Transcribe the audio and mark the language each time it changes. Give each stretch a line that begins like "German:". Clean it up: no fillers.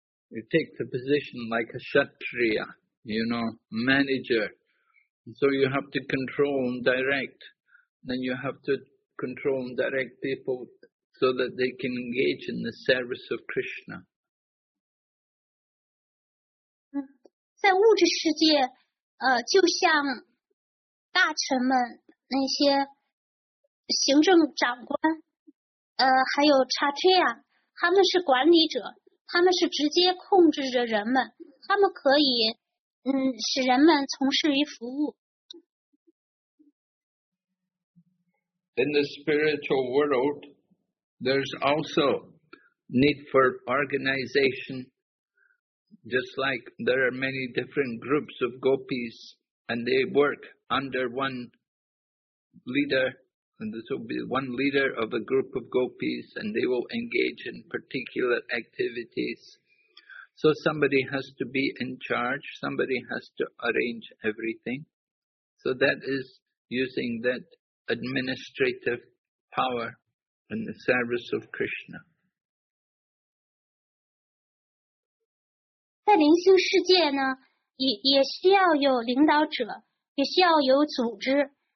English: You take the position like a kshatriya, you know, manager. So you have to control and direct. Then you have to control and direct people so that they can engage in the service of Krishna.
Chinese: 在物质世界，就像大臣们那些行政长官，还有 Chatriya， 他们是管理者，他们是直接控制着人们，他们可以使人们从事于服务。
English: In the spiritual world, there's also need for organization, just like there are many different groups of gopis, and they work under one leader, and this will be one leader of a group of gopis, and they will engage in particular activities. So somebody has to be in charge, somebody has to arrange everything. So that is using that administrative power in the service of Krishna.
Chinese: 在灵性世界呢 也需要有领导者，也需要有组织。